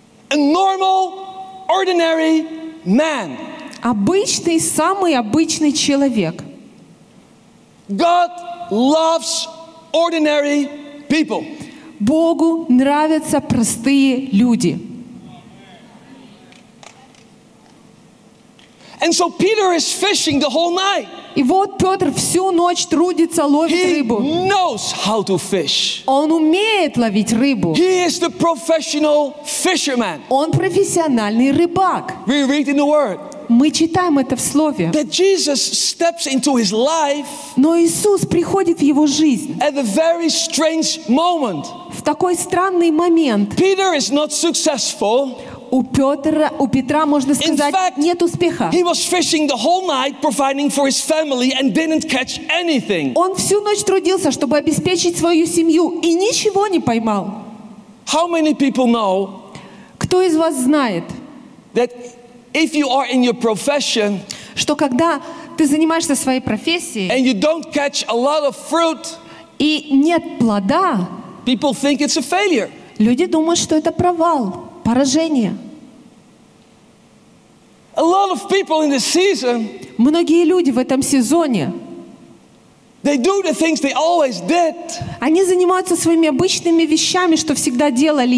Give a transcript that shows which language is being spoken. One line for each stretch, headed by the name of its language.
English: A normal, ordinary man.
Russian: Обычный, самый обычный человек.
English: God loves ordinary people.
Russian: Богу нравятся простые люди.
English: And so Peter is fishing the whole night.
Russian: И вот Петр всю ночь трудится, ловит рыбу.
English: He knows how to fish.
Russian: Он умеет ловить рыбу.
English: He is the professional fisherman.
Russian: Он профессиональный рыбак.
English: We read in the word.
Russian: Мы читаем это в Слове.
English: That Jesus steps into his life.
Russian: Но Иисус приходит в его жизнь.
English: At a very strange moment.
Russian: В такой странный момент.
English: Peter is not successful.
Russian: У Петра, можно сказать,
English: in fact,
Russian: нет успеха.
English: He was fishing the whole night, providing for his family, and didn't catch anything.
Russian: Он всю ночь трудился, чтобы обеспечить свою семью, и ничего не поймал.
English: How many people know?
Russian: Кто из вас знает?
English: That if you are in your profession,
Russian: что когда ты занимаешься своей профессией,
English: and you don't catch a lot of fruit,
Russian: и нет плода,
English: people think it's a failure.
Russian: Люди думают, что это провал. Поражение.
English: A lot of people in this season,
Russian: многие люди в этом сезоне,
English: they do the things they always did.
Russian: Они занимаются своими обычными вещами, что всегда делали и